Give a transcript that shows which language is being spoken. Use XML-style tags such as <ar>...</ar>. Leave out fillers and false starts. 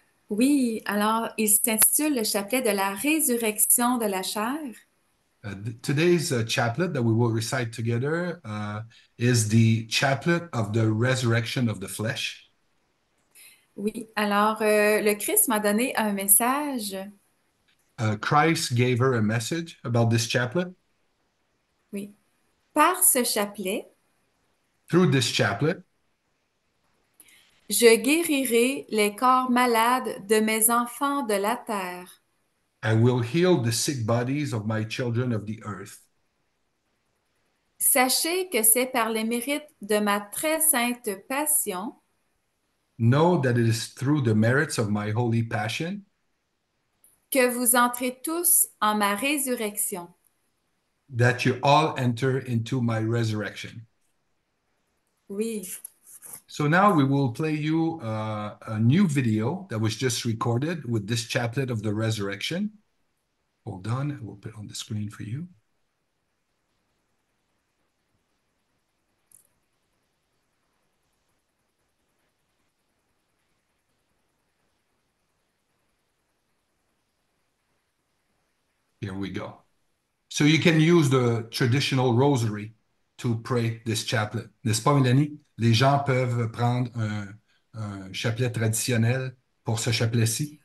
<fr>Oui, alors il s'intitule le chapelet de la résurrection de la chair.</fr> <en>Today's chaplet that we will recite together is the chaplet of the resurrection of the flesh.</en> <fr>Oui, alors le Christ m'a donné un message.</fr> <en>Christ gave her a message about this chaplet.</en> <fr>Oui, par ce chaplet,</fr> <en>Through this chaplet,</en> <fr>je guérirai les corps malades de mes enfants de la terre.</fr> <en>I will heal the sick bodies of my children of the earth.</en> <fr>Sachez que c'est par les mérites de ma très sainte passion</fr> <en>Know that it is through the merits of my holy passion.</en> <fr>que vous entrez tous en ma résurrection.</fr> <en>That you all enter into my resurrection.</en> <fr>Oui.</fr> <en>So now we will play you a new video that was just recorded with this chaplet of the resurrection. Hold on, we'll put it on the screen for you. Here we go. So you can use the traditional rosary to pray this chaplet.</en> <fr>N'est-ce pas, Mélanie? Les gens peuvent prendre un chapelet traditionnel pour ce chapelet-ci.</fr>